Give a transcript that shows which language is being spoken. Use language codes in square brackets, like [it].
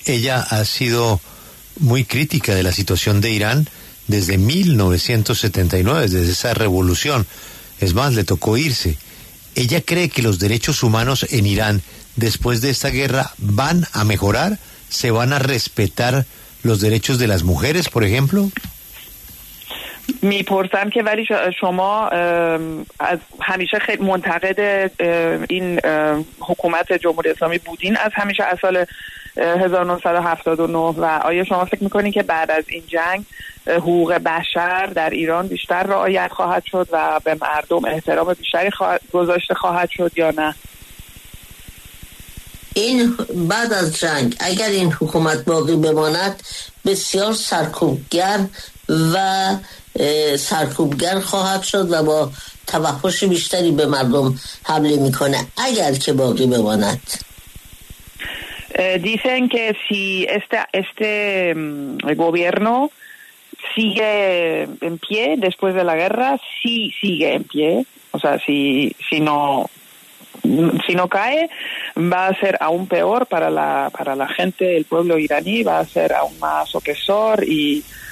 [es] Ella ha sido muy crítica de la situación de Irán desde 1979, desde esa revolución. Es más, le tocó irse. ¿Ella cree que los derechos humanos en Irán, después de esta guerra, van a mejorar? ¿Se van a respetar los derechos de las mujeres, por ejemplo? [fa] میپرسم که ولی شما از همیشه خیلی منتقد این حکومت جمهوری اسلامی بودین، از همیشه از سال 1979، و آیا شما فکر میکنین که بعد از این جنگ حقوق بشر در ایران بیشتر رعایت خواهد شد و به مردم احترام بیشتری گذاشته خواهد شد یا نه؟ این بعد از جنگ اگر این حکومت باقی بماند بسیار سرکوبگر و سرکوبگر خواهد شد و با توحش بیشتری به مردم حمله میکنه اگر که باقی بماند. [es] Dicen que si este gobierno sigue en pie después de la guerra, si sigue en pie, o sea, si no cae, va a ser aún peor para la gente, el pueblo iraní, va a ser aún más opresor y